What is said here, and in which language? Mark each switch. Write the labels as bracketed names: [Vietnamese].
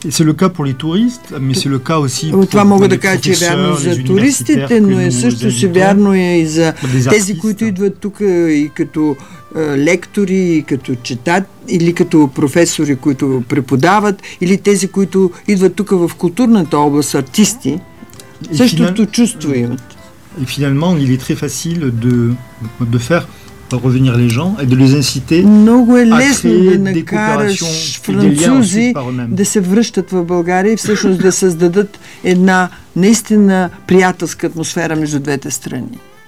[French] C'est le cas pour les touristes, mais c'est le cas aussi pour [Bulgarian] това мога да кажа, че е вярно за туристите, но е също си вярно и за тези, които идват тук и като лектори, и като читатели, или като професори, които преподават, или тези, които идват тук в културната област, артисти, същото чувство имат. [French] И finalement, il est très facile de faire revenir les gens et de les inciter [Bulgarian] много е лесно да накараш французи да се връщат в България и всъщност да създадат една наистина приятелска атмосфера между двете страни.